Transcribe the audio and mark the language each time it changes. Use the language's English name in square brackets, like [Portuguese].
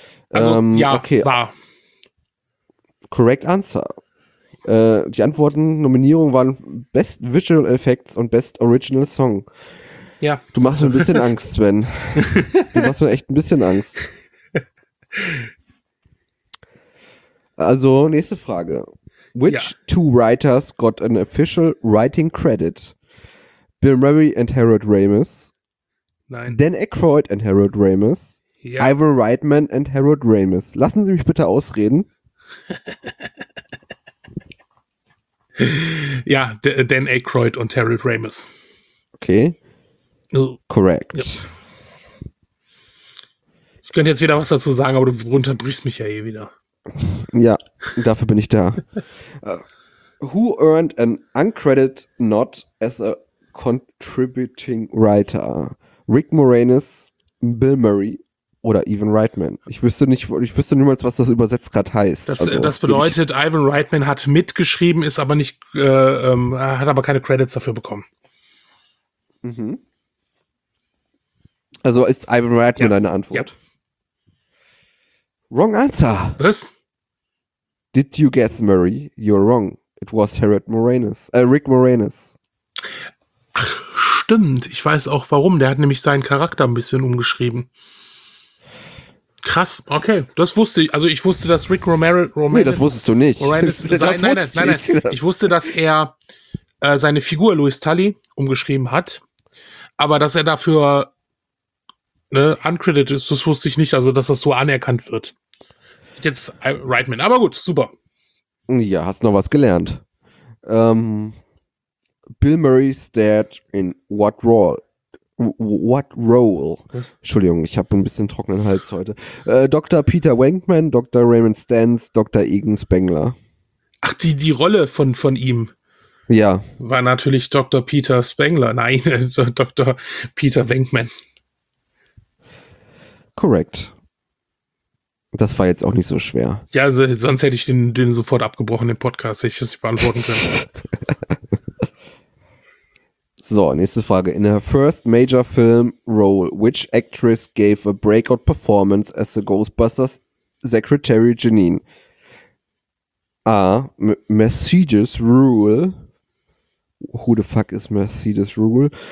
[German] Also, ja, okay. War. [English] Correct answer. [German] Die Antworten, Nominierungen waren Best Visual Effects und Best Original Song. Ja. Du machst mir ein bisschen Angst, Sven. Du machst mir echt ein bisschen Angst. Also, nächste Frage. [English] Which two writers got an official writing credit? Bill Murray and Harold Ramis? [German] Nein. [English] Dan Aykroyd and Harold Ramis? [German] Ja. [English] Ivor Reitman and Harold Ramis? [German] Lassen Sie mich bitte ausreden. Ja, Dan Aykroyd und Harold Ramis. [English] Okay. Correct. [German] Ja. Ich könnte jetzt wieder was dazu sagen, aber du unterbrichst mich ja eh wieder. Ja, dafür bin ich da. [English] Who earned an uncredited nod as a contributing writer? [German] Rick Moranis, Bill Murray oder Ivan Reitman? Ich wüsste niemals, was das übersetzt gerade heißt. Das bedeutet, Ivan Reitman hat mitgeschrieben, ist aber nicht, hat aber keine Credits dafür bekommen. Mhm. Also ist Ivan Reitman deine Antwort? Ja. [English] Wrong answer. [German] Was? [English] Did you guess Murray? You're wrong. It was Harold Moranis. Rick Moranis. [German] Ach, stimmt. Ich weiß auch warum. Der hat nämlich seinen Charakter ein bisschen umgeschrieben. Krass. Okay, das wusste ich. Also ich wusste, dass Rick Romero. Nee, das wusstest du nicht. Ich wusste, dass er seine Figur Louis Tully umgeschrieben hat. Aber dass er dafür uncredited ist, das wusste ich nicht. Also dass das so anerkannt wird. Jetzt Reitman. Aber gut, super. Ja, hast noch was gelernt. [English] Bill Murray's Dad in What Role? What Role? [German] Entschuldigung, ich habe ein bisschen trockenen Hals heute. Dr. Peter Wankman, Dr. Raymond Stantz, Dr. Egan Spengler. Ach, die Rolle von ihm. Ja. War natürlich Dr. Peter Spengler. Nein, Dr. Peter Wankman. Korrekt. Das war jetzt auch nicht so schwer. Ja, also sonst hätte ich den sofort abgebrochen, den Podcast, hätte ich das nicht beantworten können. So, nächste Frage. [English] In her first major film role, which actress gave a breakout performance as the Ghostbusters Secretary Janine? A. Mercedes Rule. Who the fuck is Mercedes Rule?